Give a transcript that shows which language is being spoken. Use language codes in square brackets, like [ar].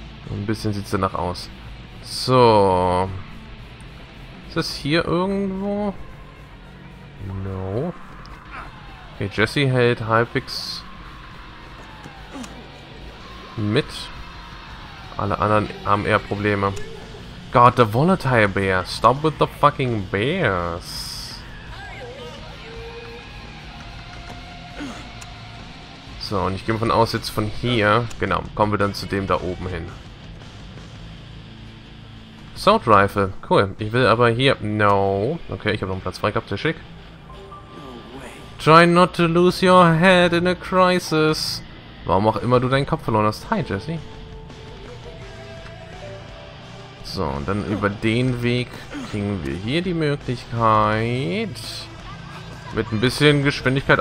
[de] Ein bisschen sieht es danach aus. So. Ist das hier irgendwo? No. Okay, Jesse hält halbwegs mit. Alle anderen haben eher Probleme. [en] God, the volatile bear. Stop with the fucking bears. [de] So, und ich gehe von aus, jetzt von hier, genau, kommen wir dann zu dem da oben hin. Sword Rifle, cool. Ich will aber hier, no. Okay, ich habe noch einen Platz frei gehabt, sehr schick. [en] Try not to lose your head in a crisis. [de] Warum auch immer du deinen Kopf verloren hast. Hi, Jesse. So, und dann über den Weg kriegen wir hier die Möglichkeit. Mit ein bisschen Geschwindigkeit.